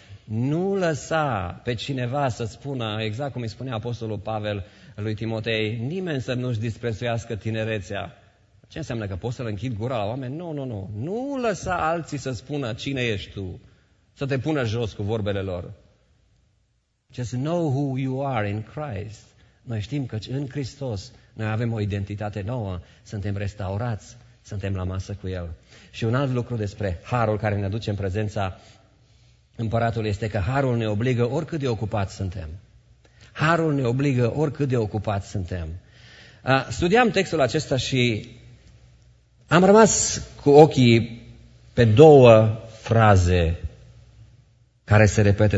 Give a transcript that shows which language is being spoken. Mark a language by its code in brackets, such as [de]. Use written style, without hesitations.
[ro] Nu lăsa pe cineva să spună, exact cum îi spunea Apostolul Pavel lui Timotei, nimeni să nu-și disprețuiască tinerețea. Ce înseamnă că poți să-l închid gura la oameni? Nu. Nu lăsa alții să spună cine ești tu. Să te pună jos cu vorbele lor. [en] Just know who you are in Christ. [ro] Noi știm că în Hristos noi avem o identitate nouă, suntem restaurați, suntem la masă cu El. Și un alt lucru despre harul care ne aduce în prezența împăratului este că harul ne obligă oricât de ocupați suntem. Harul ne obligă oricât de ocupați suntem. Studiam textul acesta și am rămas cu ochii pe două fraze care se repetă.